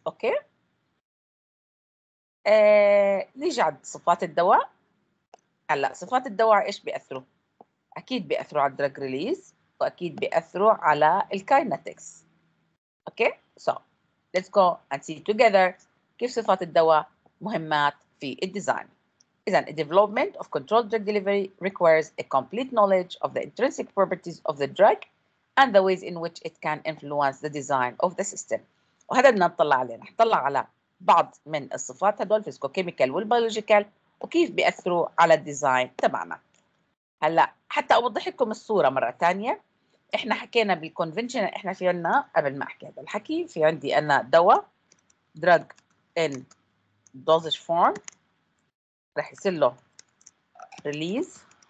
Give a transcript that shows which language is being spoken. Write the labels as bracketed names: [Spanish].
[Arabic] اوكي، نيجي على صفات الدواء. هلا صفات الدواء ايش بياثروا؟ أكيد بيأثروا على الدراج ريليز وأكيد بيأثروا على الكايناتكس. أوكي؟ [English] So, let's go and see together [Arabic] كيف صفات الدواء مهمات في الديزاين. [English] إذن, a development of controlled drug delivery requires a complete knowledge of the intrinsic properties of the drug and the ways in which it can influence the design of the system. [Arabic] وهذا بدنا نطلع عليه, نطلع على بعض من الصفات هدول الفيزيكوكيميكال والبيولوجيكال وكيف بيأثروا على الديزاين تبعنا. هلا حتى اوضح لكم الصوره مره ثانيه, احنا حكينا بالكونفنشن, احنا في عندنا قبل ما احكي هذا الحكي في عندي انا دواء [English] drug in dosage form [Arabic] رح يصير له ريليز,